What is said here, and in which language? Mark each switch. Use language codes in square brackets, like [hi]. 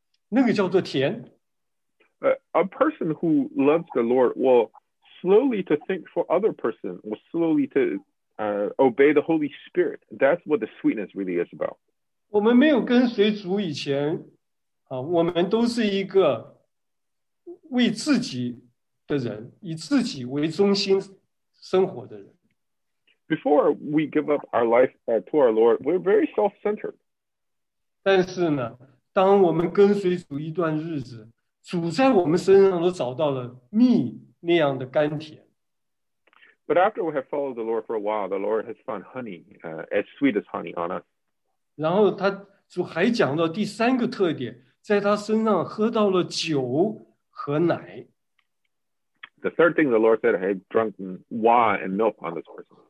[zh] 他不知不觉，他会为别人着想，他会呢这个体贴别人的感觉，而且是顺服圣灵的，那个叫做甜。 [en] A person who loves the Lord will slowly to think for other person, will slowly to obey the Holy Spirit. That's what the sweetness really is about. [zh] 我们没有跟随主以前，啊，我们都是一个为自己的人，以自己为中心。 [en] Before we give up our life to our Lord, we're very self-centered. [zh] 但是呢，当我们跟随主一段日子，主在我们身上都找到了蜜那样的甘甜。 [en] But after we have followed the Lord for a while, the Lord has found honey, as sweet as honey on us. [zh] 然后他主还讲到第三个特点，在他身上喝到了酒和奶。 [en] The third thing the Lord said, I had drunk wine and milk on this horse.